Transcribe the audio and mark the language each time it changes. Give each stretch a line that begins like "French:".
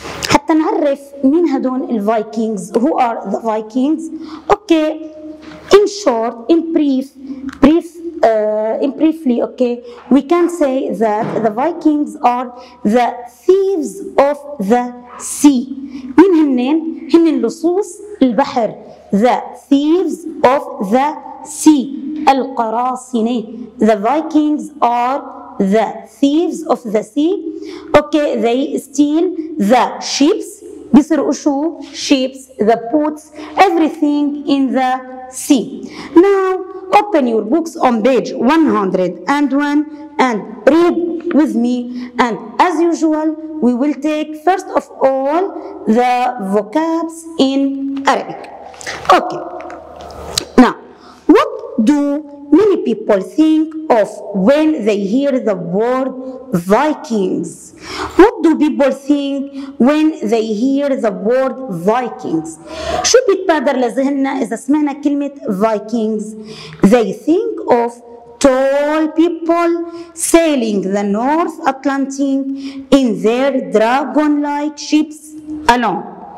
Arabic: حتى نعرف مين هدول الفايكينجز،
English: who are the Vikings. Okay, in short, in briefly, okay, we can say that the Vikings are the thieves of the sea.
Arabic: مين هنن؟ هن اللصوص البحر.
English: The thieves of the sea.
Arabic: القراصنة.
English: The Vikings are the thieves of the sea. Okay, they steal the ships.
Arabic: بيسرقوا شو؟
English: Ships, the boats, everything in the sea. Now, open your books on page 101 and read with me. And as usual, we will take first of all the vocabs in Arabic. Okay. Now, what do many people think of when they hear the word Vikings? What do people think when they hear the word Vikings?
Arabic: شو بيتبادر لذهننا إذا سمعنا كلمة Vikings?
English: They think of tall people sailing the North Atlantic in their dragon-like ships alone.